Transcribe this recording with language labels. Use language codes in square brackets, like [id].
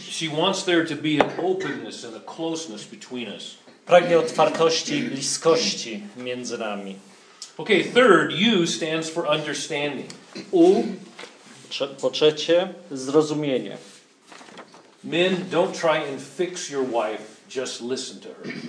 [en] She wants there to be an openness and a closeness between us. [pl] Pragnie otwartości i bliskości między nami. [en] Okay, third, U stands for understanding. [pl] U, po trzecie, zrozumienie. [en] Men, don't try and fix your wife, just listen to her.